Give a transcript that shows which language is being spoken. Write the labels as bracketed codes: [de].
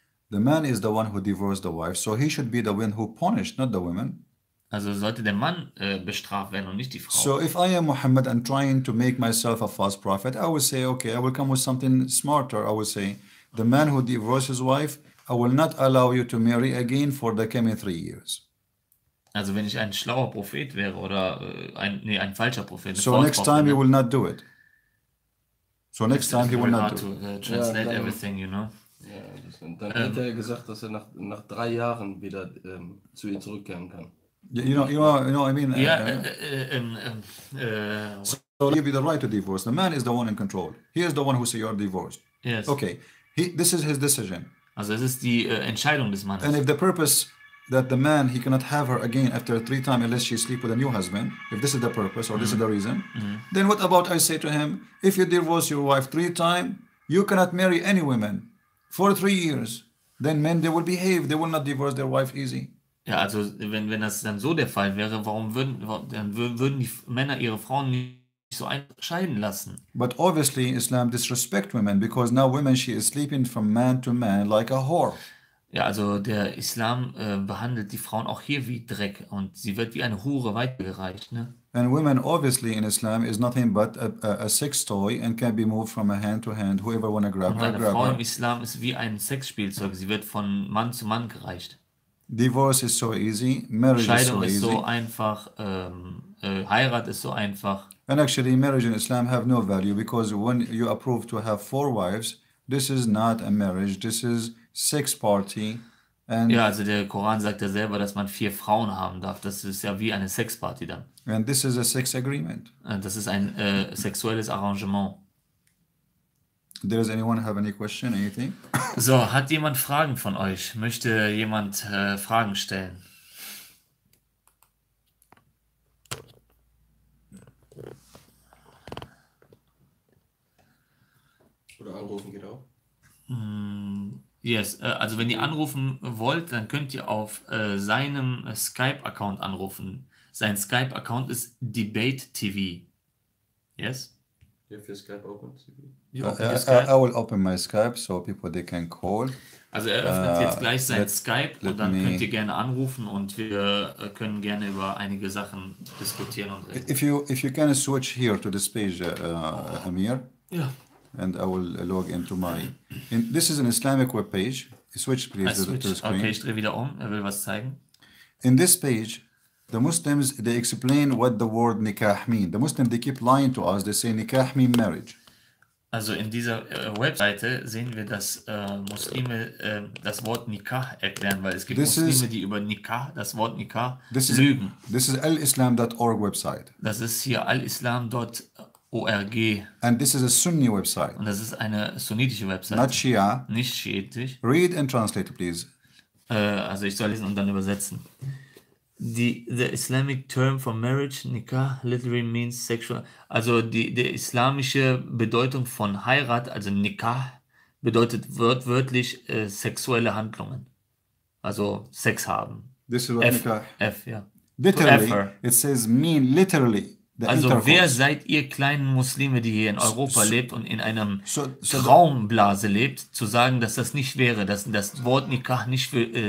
[en] The man is the one who divorced the wife, so he should be the one who punished, not the woman. [de] Also sollte der Mann bestraft werden und nicht die Frau. [en] So if I am Muhammad and trying to make myself a false prophet, I will say, okay, I will come with something smarter. I will say, the man who divorced his wife, I will not allow you to marry again for the coming 3 years. [de] Also wenn ich ein schlauer Prophet wäre oder ein falscher Prophet. [en] So next time you will not do it. So next time he will not do it. Translate everything, you know. [de] Ja, und dann hat er gesagt, dass er nach 3 Jahren wieder zu ihr zurückkehren kann. [en] You know, I mean. Yeah. So he'll be the right to divorce. The man is the one in control. He is the one who says you are divorced. Yes. Okay. This is his decision. [de] Also, es ist die Entscheidung des Mannes. [en] And if the purpose that the man he cannot have her again after 3 times unless she sleep with a new husband, if this is the purpose or this is the reason, then what about I say to him? If you divorce your wife 3 times, you cannot marry any woman for 3 years. Then men they will behave. They will not divorce their wife easy. [de] Ja, also wenn das dann so der Fall wäre, warum würden die Männer ihre Frauen nicht so scheiden lassen? [en] But obviously Islam disrespect women because now women she is sleeping from man to man like a whore. [de] Ja, also der Islam behandelt die Frauen auch hier wie Dreck und sie wird wie eine Hure weitergereicht, ne? [en] And women obviously in Islam is nothing but a sex toy and can be moved from a hand to hand, whoever wanna grab her. [de] Und eine Frau im Islam ist wie ein Sexspielzeug, sie wird von Mann zu Mann gereicht. [en] Divorce is so easy, marriage [de] Scheidung [en] is so easy. [de] Scheidung ist so einfach, Heirat ist so einfach. [en] And actually marriage in Islam have no value because when you approve to have 4 wives, this is not a marriage, this is sex party. And [de] ja, also der Koran sagt ja selber, dass man 4 Frauen haben darf. Das ist ja wie eine Sexparty dann. And this is a sex agreement. Und das ist ein sexuelles Arrangement. [en] Does anyone have any question, anything? [de] So, hat jemand Fragen von euch? Möchte jemand Fragen stellen? Oder anrufen geht auch? [en] Yes, [de] also wenn ihr anrufen wollt, dann könnt ihr auf seinem Skype-Account anrufen. Sein Skype-Account ist DebateTV. [en] Yes? I will open my Skype so people they can call. [de] Also er öffnet jetzt gleich sein Skype und dann könnt ihr gerne anrufen und wir können gerne über einige Sachen diskutieren und reden. [en] If you can switch here to this page, Amir. Yeah. And I will log into my. This is an Islamic web page. Switch please to the screen. [de] Okay, ich drehe wieder um. Er will was zeigen. [en] In this page. The Muslims, they explain what the word nikah mean. The Muslims, they keep lying to us. They say nikah mean marriage. [de] Also in dieser Webseite sehen wir, dass Muslime das Wort Nikah erklären, weil es gibt [en] this [de] Muslime, [en] is, [de] die über Nikah, das Wort Nikah, [en] this [de] lügen. [en] This is alislam.org website. [de] Das ist hier alislam.org. [en] And this is a Sunni website. [de] Und das ist eine sunnitische Website. [en] Not Shia. [de] Nicht schiitisch. [en] Read and translate, please. [de] Also ich soll lesen und dann übersetzen. [en] The Islamic term for marriage, Nikah, literally means sexual. [de] Also die islamische Bedeutung von Heirat, also Nikah, bedeutet wörtlich sexuelle Handlungen. Also Sex haben. [en] This is what F, Nikah. [de] F, ja. [en] Literally, it says mean literally. [de] Also wer seid ihr kleinen Muslime, die hier in Europa lebt und in einem Traumblase lebt, zu sagen, dass das nicht wäre, dass das Wort Nikah nicht für...